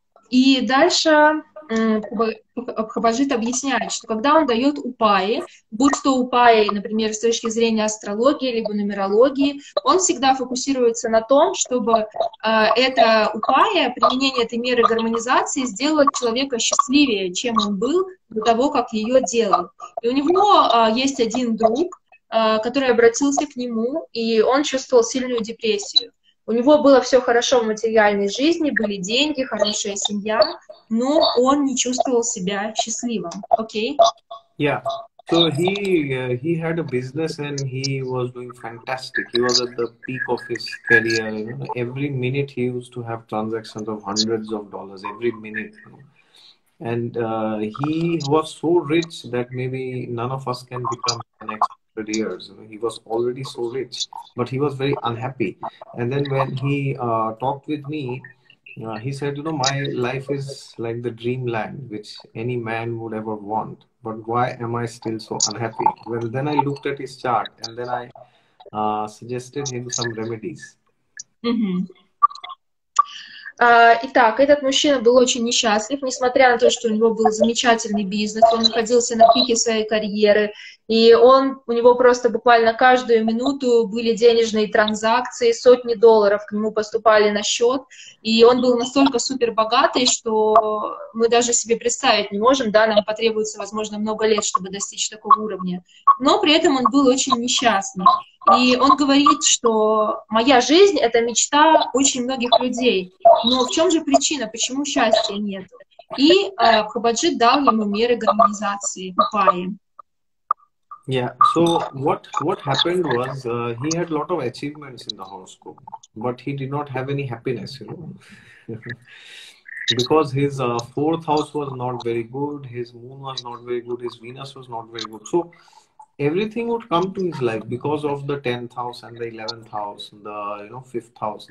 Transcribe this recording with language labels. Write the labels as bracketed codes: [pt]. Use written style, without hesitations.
[ru] И дальше Бхабаджита объясняет, что когда он дает упаи, будь то упаи, например, с точки зрения астрологии либо нумерологии, он всегда фокусируется на том, чтобы это упаи, применение этой меры гармонизации, сделало человека счастливее, чем он был до того, как ее делал. И у него есть один друг, который обратился к нему, и он чувствовал сильную депрессию. У него было все хорошо в материальной жизни, были деньги, хорошая семья, но он не чувствовал себя счастливым. Окей? [en] Okay? Yeah. So he had a business and he was doing fantastic. He was at the peak of his career. You know, every minute he used to have transactions of hundreds of dollars every minute. You know? And he was so rich that maybe none of us can become an expert. Years. He was already so rich, but he was very unhappy. And then when he talked with me, he said, you know, my life is like the dreamland, which any man would ever want. But why am I still so unhappy? Well, then I looked at his chart and then I suggested him some remedies. Mm-hmm. [ru] Итак, этот мужчина был очень несчастлив, несмотря на то, что у него был замечательный бизнес, он находился на пике своей карьеры, и он, у него просто буквально каждую минуту были денежные транзакции, сотни долларов к нему поступали на счет, и он был настолько супербогатый, что мы даже себе представить не можем, да, нам потребуется, возможно, много лет, чтобы достичь такого уровня. Но при этом он был очень несчастный. И он говорит, что моя жизнь — это мечта очень многих людей. Но в чем же причина, почему счастья нет? И Бхабаджи дал ему меры гармонизации упаи. [en] Yeah. So what happened was he had a lot of achievements in the horoscope, but he did not have any happiness, you know. because his fourth house was not very good, his moon was not very good, his Venus was not very good. So everything would come to his life because of the 10th house and the 11th house, and the, you know, 5th house.